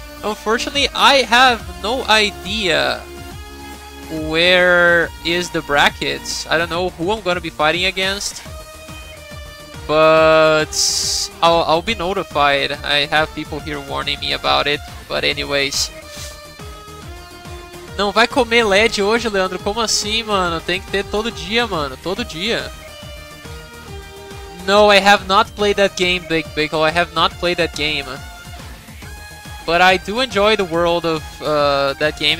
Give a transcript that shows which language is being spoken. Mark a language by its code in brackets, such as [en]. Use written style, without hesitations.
[en] Unfortunately, I have no idea where is the brackets. I don't know who I'm going to be fighting against. But I'll be notified. I have people here warning me about it. But anyways... [pt] Não vai comer LED hoje, Leandro? Como assim, mano? Tem que ter todo dia, mano. Todo dia. [en] no, I have not played that game, Big Bickle. I have not played that game. But I do enjoy the world of that game.